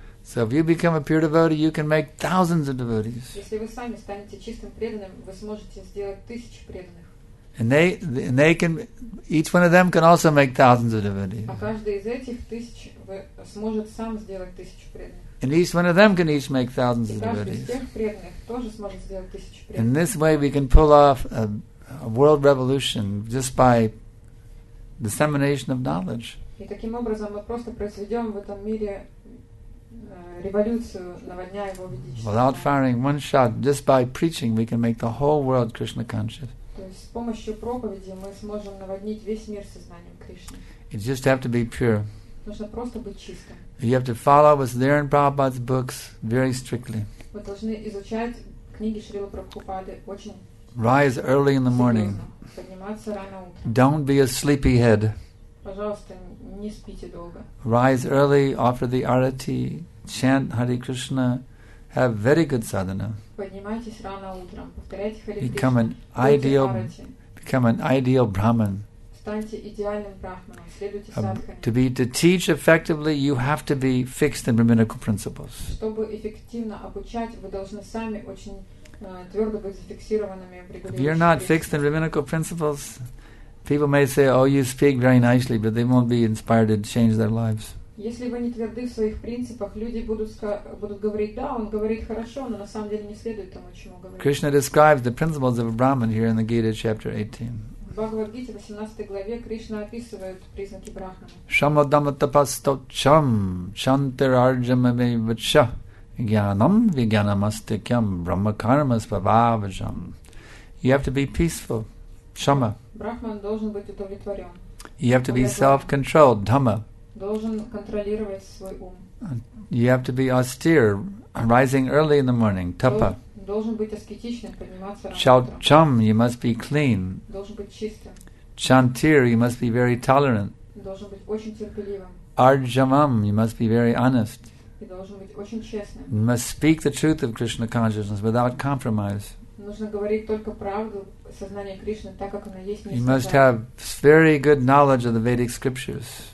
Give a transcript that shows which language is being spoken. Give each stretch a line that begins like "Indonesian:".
English: So if you become a pure devotee, you can make thousands of devotees.
Russian: Если вы сами станете чистым преданным, вы сможете сделать тысячи преданных.
English: And they can, each one of them can also make thousands of devotees.
Russian: А каждый из этих тысяч сможет сам сделать тысячу преданных.
English: And each one of them can each make thousands of devotees.
Russian: И каждый из тех преданных тоже сможет сделать тысячу преданных.
English: In this way, we can pull off a world revolution just by dissemination of knowledge.
Russian: И таким образом мы просто произведем в этом мире революцию, наводняя его ведическим.
English: Without firing one shot, just by preaching, we can make the whole world Krishna conscious.
Russian: То с помощью проповеди мы сможем наводнить весь мир сознанием Кришны.
English: You just have to be pure.
Russian: Нужно просто быть чистым.
English: You have to follow what's there in Prabhupada's books very strictly.
Russian: Вы должны изучать книги Шрилы Прабхупады очень.
English: Rise early in the morning.
Russian: Подниматься рано утром.
English: Don't be a sleepyhead.
Russian: Пожалуйста, не спите долго.
English: Rise early, offer the arati, chant Hare Krishna, have very good sadhana.
Russian: Поднимайтесь рано утром, повторяйте Hare Krishna.
English: Become an ideal Brahman.
Russian: Станьте идеальным брахманом, следуйте садхане.
English: To teach effectively, you have to be fixed in brahminical principles.
Russian: Чтобы эффективно обучать, вы должны сами очень твердо быть зафиксированными в регулировании.
English: If you're not fixed in brahminical principles, people may say, oh, you speak very nicely, but they won't be inspired to change their lives.
Russian: Если вы не тверды в своих принципах, люди будут говорить, да, он говорит хорошо, но на самом деле не следует тому, чему говорит.
English: Krishna describes the principles of a Brahman here in the Gita, chapter 18.
Russian: В Бхагавад-гите, 18 главе, Кришна описывает признаки брахмана.
Sanskrit: Шамадаматапастотчам чантирарджамамивача гьянам вигьянамастикям брахмакармасвабхаваджам.
English: You have to be peaceful. Шама.
Russian: Брахман должен быть удовлетворен.
English: You have to be self-controlled. Дхамма.
Russian: Должен контролировать свой ум.
English: You have to be austere, rising early in the morning.
Sanskrit: Тапа.
Russian: Должен быть аскетичным, подниматься рано.
English: Чалчам, you must be clean.
Russian: Должен быть чистым.
English: Чантир, you must be very tolerant.
Russian: Должен быть очень терпеливым.
English: Арджамам, you must be very honest.
Russian: И должен быть очень честным.
English: You must speak the truth of Krishna consciousness without compromise.
Russian: Нужно говорить только правду сознания Кришны, так как она есть.
English: You must have very good knowledge of the Vedic scriptures.